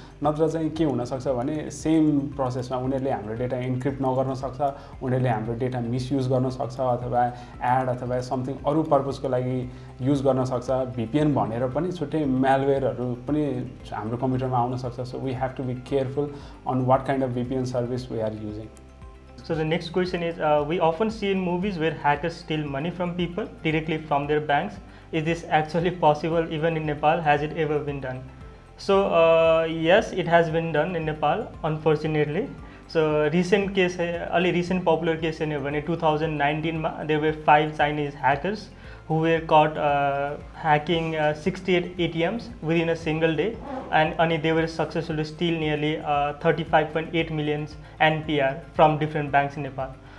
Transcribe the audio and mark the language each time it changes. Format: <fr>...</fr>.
<ne>नत्र चाहिँ के हुनसक्छ भने सेम प्रोसेसमा उनीहरूले हाम्रो डेटा इन्क्रिप्ट नगर्न सक्छ, उनीहरूले हाम्रो डेटा मिसयुज गर्न सक्छ, अथवा एड अथवा समथिङ अरू पर्पजको लागि युज गर्न सक्छ. भिपिएन भनेर पनि छुट्टै म्यालवेयरहरू पनि हाम्रो कम्प्युटरमा आउनसक्छ.</ne> <en>So we have to be careful on what kind of VPN service we are using. So the next question is, we often see in movies where hackers steal money from people directly from their banks. Is this actually possible even in Nepal? Has it ever been done? So yes, it has been done in Nepal, unfortunately. So recent case, only recent popular case in 2019, there were 5 Chinese hackers who were caught hacking 68 ATMs within a single day, and only they were successfully steal nearly 35.8 million NPR from different banks in Nepal.</en>